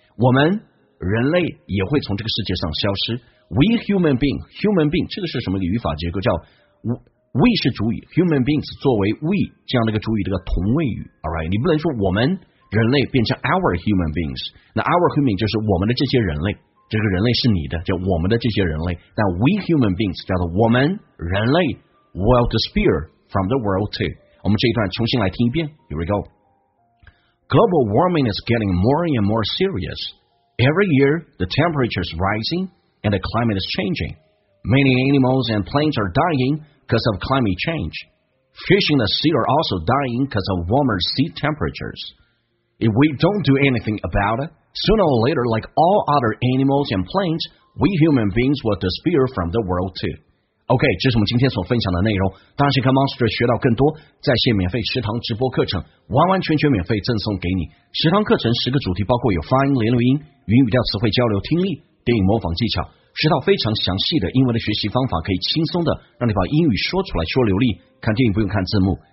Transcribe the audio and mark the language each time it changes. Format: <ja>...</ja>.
<zh>我们人类也会从这个世界上消失。 We human being, 这个是什么一个语法结构？叫 we 是主语 ，human beings 作为 we 这样的一个主语，这个同位语 ，all right， 你不能说我们人类变成</zh> <en>our human beings，</en> <zh>那 our human 就是我们的这些人类，这个人类是你的，叫我们的这些人类。但</zh> <en>we human beings</en> <zh>叫做我们人类</zh> <en>will disappear from the world too。</en> <zh>我们这一段重新来听一遍 ，</zh> <en>here we go。 Global warming is getting more and more serious. Every year, the temperature is rising and the climate is changing. Many animals and plants are dying because of climate change. Fish in the sea are also dying because of warmer sea temperatures. If we don't do anything about it, sooner or later, like all other animals and plants, we human beings will disappear from the world too.</en> <zh>OK， 这是我们今天所分享的内容。当然，可以跟 Monster 学到更多在线免费食堂直播课程，完完全全免费赠送给你。食堂课程十个主题，包括有发音、连读音、云语调、词汇交流、听力、电影模仿技巧，十套非常详细的英文的学习方法，可以轻松的让你把英语说出来，说流利。看电影不用看字幕。</zh>